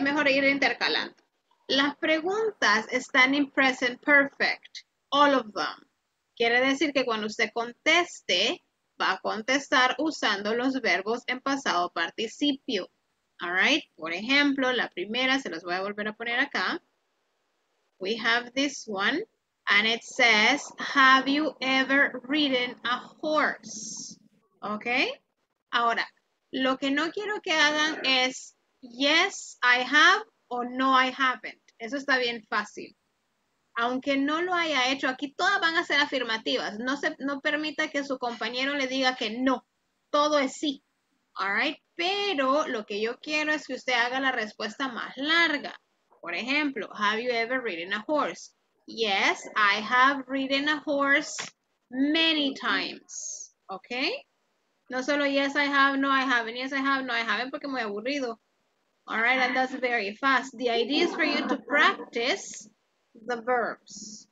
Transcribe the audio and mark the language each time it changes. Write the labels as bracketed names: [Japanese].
[Spanish] Es mejor ir intercalando. Las preguntas están en present perfect, [English] all of them. [Spanish] Quiere decir que cuando usted conteste, va a contestar usando los verbos en pasado participio. All right, por ejemplo, la primera, se los voy a volver a poner acá. [English] We have this one, and it says, have you ever ridden a horse? [Spanish] Okay, ahora, lo que no quiero que hagan es, [English] yes, I have, [Spanish] o [English] no, I haven't. [Spanish] Eso está bien fácil. Aunque no lo haya hecho, aquí todas van a ser afirmativas. No permita que su compañero le diga que no, todo es sí. All right, pero lo que yo quiero es que usted haga la respuesta más larga. Por ejemplo, [English] have you ever ridden a horse? Yes, I have ridden a horse many times. Okay? [Spanish] No solo [English] yes, I have, no, I haven't. Yes, I have, no, I haven't, [Spanish] porque muy aburrido. [English] All right, and that's very fast. The idea is for you to practice the verbs.